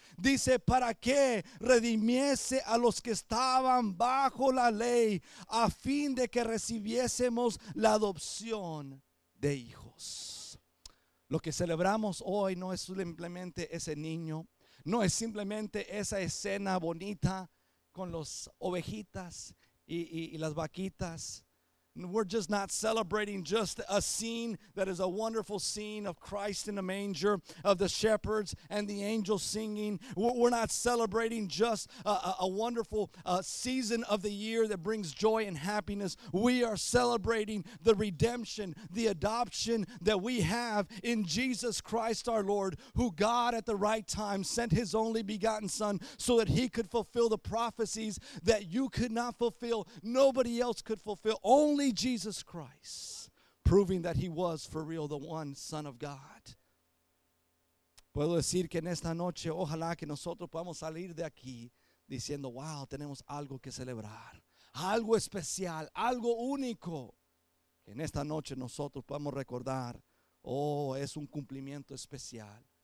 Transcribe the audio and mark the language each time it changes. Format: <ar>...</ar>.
<es>Dice: para que redimiese a los que estaban bajo la ley, a fin de que recibiésemos la adopción de hijos. Lo que celebramos hoy no es simplemente ese niño, no es simplemente esa escena bonita con las ovejitas y las vaquitas.</es> <en>We're just not celebrating just a scene that is a wonderful scene of Christ in a manger, of the shepherds and the angels singing. We're not celebrating just a wonderful season of the year that brings joy and happiness. We are celebrating the redemption, the adoption that we have in Jesus Christ our Lord, who God at the right time sent his only begotten Son so that he could fulfill the prophecies that you could not fulfill, nobody else could fulfill. Only Jesus Christ, proving that he was for real the one Son of God.</en> <es>Puedo decir que en esta noche, ojalá que nosotros podamos salir de aquí diciendo: wow, tenemos algo que celebrar. algo especial, algo único. En esta noche nosotros podemos recordar, oh, es un cumplimiento especial.</es>